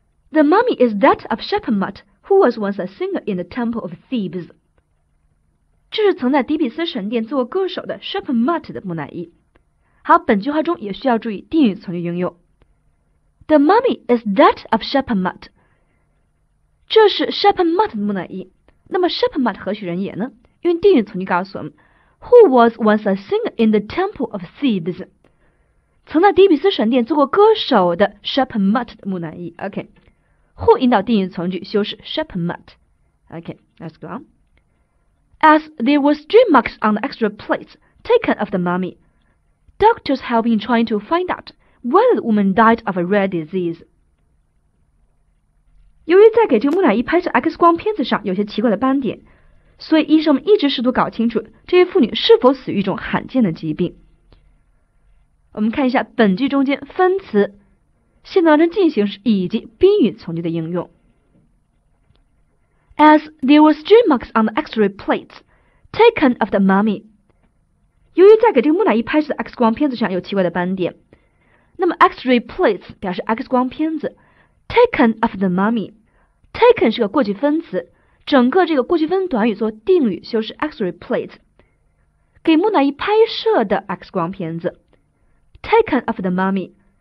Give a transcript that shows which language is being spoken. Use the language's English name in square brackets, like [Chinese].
[English] The mummy is that of Shepemut, who was once a singer in the temple of Thebes. [Chinese] 这是曾在底比斯神殿做过歌手的 Shepemut 的木乃伊。好，本句话中也需要注意定语从句应用。 [English] The mummy is that of Shepemut. [Chinese] 这是 Shepemut 的木乃伊。那么 Shepemut 何许人也呢？用定语从句告诉我们 [English] ，Who was once a singer in the temple of Thebes. [Chinese] 曾在底比斯神殿做过歌手的 Shepemut 的木乃伊。OK。 [English] Who [Chinese] 引导定语从句修饰 [English] Shepemut. Okay, let's go on. As there were stream marks on the extra plates taken of the mummy, doctors have been trying to find out whether the woman died of a rare disease. [Chinese] 由于在给这个木乃伊拍摄 X 光片子上有些奇怪的斑点，所以医生们一直试图搞清楚这位妇女是否死于一种罕见的疾病。我们看一下本句中间分词。现在完成进行时以及宾语从句的应用。 [English] As there were stream marks on the X-ray plates taken of the mummy. [Chinese] 由于在给这个木乃伊拍摄的 X 光片子上有奇怪的斑点，那么 [English] X-ray plates [Chinese] 表示 X 光片子 [English] taken of the mummy. [Chinese] Taken 是个过去分词，整个这个过去分短语做定语修饰 [English] X-ray plates， [Chinese] 给木乃伊拍摄的 X 光片子 [English] taken of the mummy。